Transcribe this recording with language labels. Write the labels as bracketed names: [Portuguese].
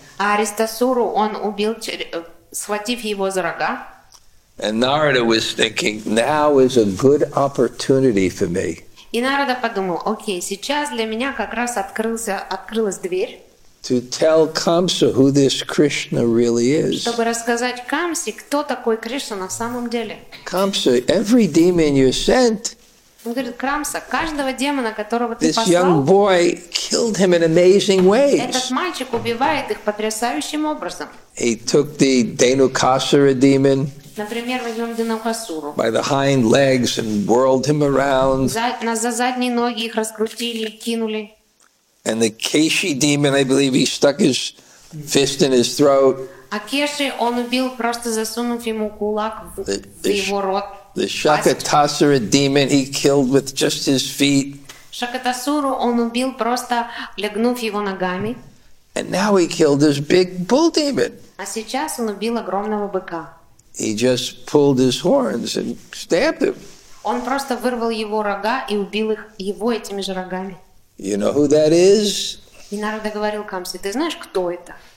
[Russian] Аристасуру он убил, схватив его за рога. [English] And Narada was thinking, now is a good opportunity for me. [Russian] И Нарада подумал, окей, сейчас для меня как раз открылась дверь. [English] To tell Kamsa who this Krishna really is. [Russian] Чтобы рассказать Камсе, кто такой Кришна на самом деле. [English] Kamsa, every demon you sent. [Russian] Он говорит, Камса, каждого демона, которого ты [English] this [Russian] послал. [English] Young boy killed him in amazing ways. [Russian] Этот мальчик убивает их потрясающим образом. [English] He took the Denukasura demon. [Russian] Например, возьмем Денукасуру. [English] By the hind legs and whirled him around. [Russian] За задние ноги их раскрутили и кинули. [English] And the Keshi demon, I believe, he stuck his fist in his throat. [Russian] А Кеши он убил, просто засунув ему кулак в его рот. [English] The Шакатасура demon he killed with just his feet. [Russian] Шакатасуру он убил, просто легнув его ногами. [English] And now he killed this big bull demon. [Russian] А сейчас он убил огромного быка. [English] He just pulled his horns and stabbed him. [Russian] Он просто вырвал его рога и убил их его этими же рогами. [English] You know who that is? [Russian] И Нарада говорил Камсе, ты знаешь, кто это?